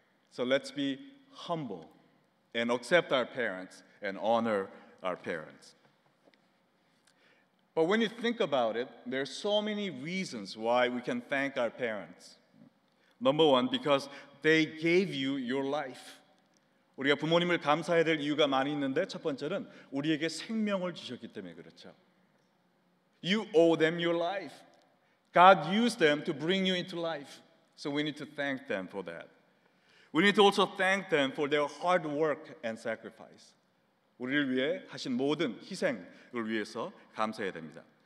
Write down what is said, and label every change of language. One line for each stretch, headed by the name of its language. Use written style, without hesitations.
English: So let's be humble and accept our parents and honor our parents. But when you think about it, there are so many reasons why we can thank our parents. Number one, because they gave you your life.
Korean: 우리가 부모님을 감사해야 될 이유가 많이 있는데 첫 번째는 우리에게 생명을 주셨기 때문에 그렇죠.
English: You owe them your life. God used them to bring you into life. So we need to thank them for that. We need to also thank them for their hard work and sacrifice.
Korean: 우리를 위해 하신 모든 희생을 위해서 감사해야 됩니다.